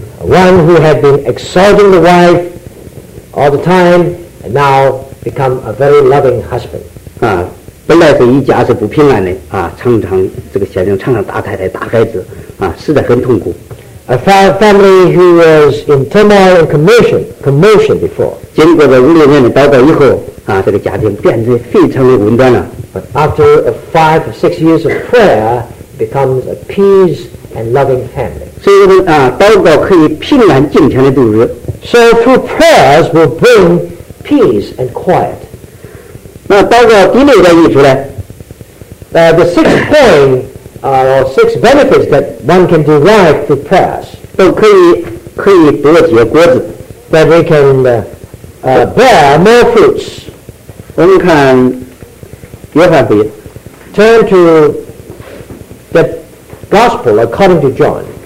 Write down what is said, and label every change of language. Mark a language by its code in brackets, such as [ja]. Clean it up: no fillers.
[en] One who had been exalting the wife all the time and now become a very loving husband. [zh] 啊，本来是一家是不平安的，啊，常常这个先生常常打太太打孩子，啊，实在很痛苦。 [en] A family who was in turmoil and commotion before. [zh] 经过了五六年的祷告以后，啊，这个家庭变得非常的稳当了。 [en] But after 5 or 6 years of prayer, becomes a peace and loving family. [zh] 所以我们啊，祷告可以平安静全的度日。 [en] So through prayers will bring peace and quiet. [zh] 那祷告第六个益处呢？ [en] The sixth point. Six benefits that one can derive through prayers. [zh] 都可以多结果子, [en] that we can bear more fruits. [zh] 我们看约翰福音, [en] turn to the gospel according to John.